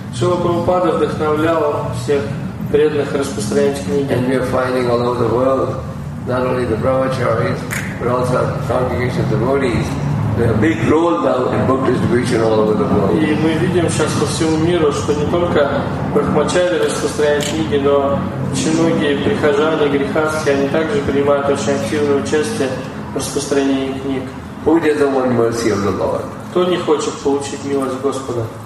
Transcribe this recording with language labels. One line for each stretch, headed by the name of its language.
Russian: Шрила Прабхупада вдохновлял всех преданных распространять книги.
English: And we are finding all over the world not only the brahmacharis but also congregations of devotees. There are big role now in book distribution all over the world.
Russian: И мы видим сейчас по всему миру, что не только брахмачари распространяют книги, но чиногие, прихожане, грихастхи, они также принимают очень активное участие в распространении книг.
English: Who doesn't want mercy of the Lord?
Russian: Кто не хочет получить милость Господа?